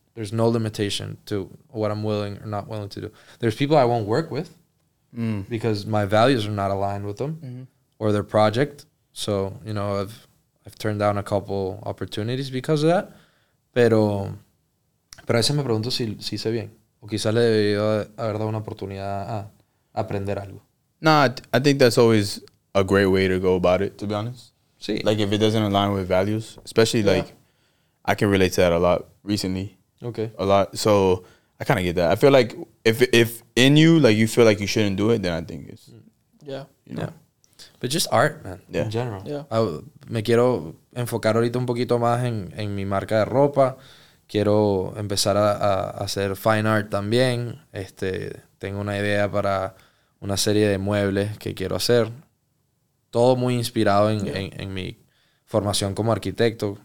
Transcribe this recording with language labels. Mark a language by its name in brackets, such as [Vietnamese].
[English] There's no limitation to what I'm willing or not willing to do. There's people I won't work with because my values are not aligned with them or their project. So, you know, I've turned down a couple opportunities because of that. [Spanish] Pero a veces me pregunto si hice bien. O quizás le debí haber dado una oportunidad a aprender algo. [English] I think that's always a great way to go about it, to be honest. [Spanish] Sí. [English] Like, if it doesn't align with values, especially, like, I can relate to that a lot recently. Okay. A lot. So I kind of get that. I feel like if in you, like, you feel like you shouldn't do it, then I think it's... But just art, man. Yeah. In general. Yeah. [Spanish] Me quiero enfocar ahorita un poquito más en mi marca de ropa. Quiero empezar a hacer fine art también. Tengo una idea para una serie de muebles que quiero hacer. Todo muy inspirado en mi formación como arquitecto.